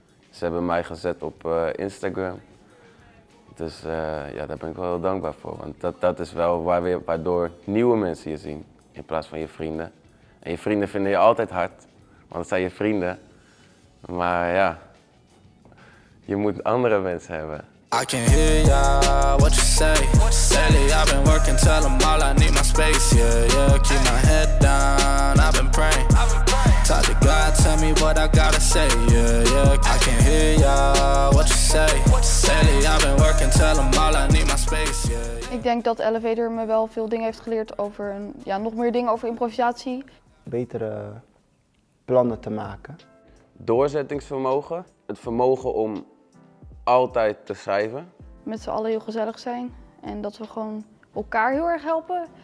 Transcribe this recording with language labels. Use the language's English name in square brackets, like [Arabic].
[Dutch] Ze hebben mij gezet op Instagram. Dus ja, daar ben ik wel heel dankbaar voor. Want dat is wel waardoor nieuwe mensen je zien in plaats van je vrienden. En je vrienden vinden je altijd hard, want het zijn je vrienden. Maar ja, je moet andere mensen hebben. [English] I can hear ya, what you say. Lately I've been working, tell them all I need my space. Yeah, yeah, keep my head down, I've been praying. Talk to God, tell me what I gotta say. Yeah, yeah, I can hear ya, what you say. Lately I've been working, tell them all I need my space. Yeah, yeah. [Dutch] Ik denk dat Elevator me wel veel dingen heeft geleerd over, ja, nog meer dingen over improvisatie. Betere plannen te maken. Doorzettingsvermogen, het vermogen om altijd te schrijven. Met z'n allen heel gezellig zijn en dat we gewoon elkaar heel erg helpen.